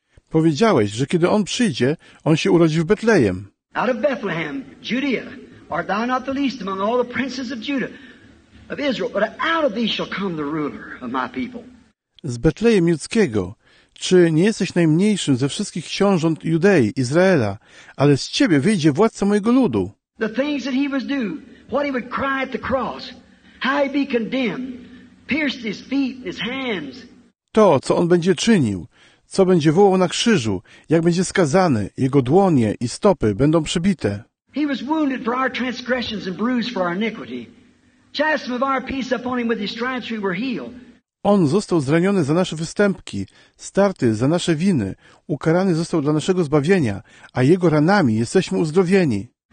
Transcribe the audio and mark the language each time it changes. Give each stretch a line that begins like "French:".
Polish: Powiedziałeś, że kiedy On przyjdzie, On się urodzi w Betlejem.
English: Out of Bethlehem, Judea. Art thou not the least among all the princes of Judah, of Israel? But out of thee shall come the ruler of my people.
Polish: Z Betlejem Judzkiego, czy nie jesteś najmniejszym ze wszystkich książąt Judei, Izraela, ale z ciebie wyjdzie władca mojego ludu.
English: The things that he was doing, what he would cry at the cross, how he'd be condemned, pierced his feet and his hands.
Polish: To, co on będzie czynił, co będzie wołał na krzyżu, jak będzie skazany, jego dłonie i stopy będą przebite.
English: He was wounded for our transgressions and bruised for our iniquity. Chastened with our peace upon him with his stripes we were healed.
Polish: On został zraniony za nasze występki, starty za nasze winy, ukarany został dla naszego zbawienia, a jego ranami jesteśmy uzdrowieni.